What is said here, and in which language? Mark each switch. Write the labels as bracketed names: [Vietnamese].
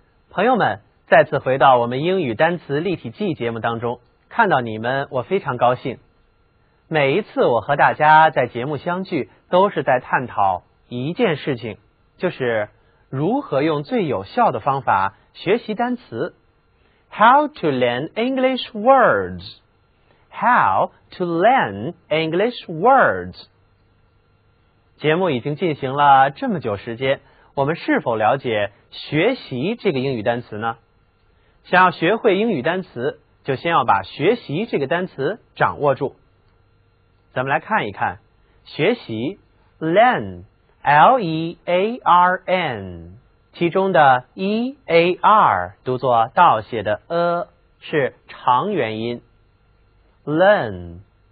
[Chinese] 朋友们，再次回到我们英语单词立体记节目当中，看到你们我非常高兴。每一次我和大家在节目相聚，都是在探讨一件事情，就是如何用最有效的方法学习单词。 [English] How to learn English words， How to learn English words。 [Chinese] 节目已经进行了这么久时间，我们是否了解学习这个英语单词呢？想要学会英语单词，就先要把学习这个单词掌握住。咱们来看一看，学习 learn L-E-A-R-N， 其中的 E-A-R 读作倒写的 是长元音。learn.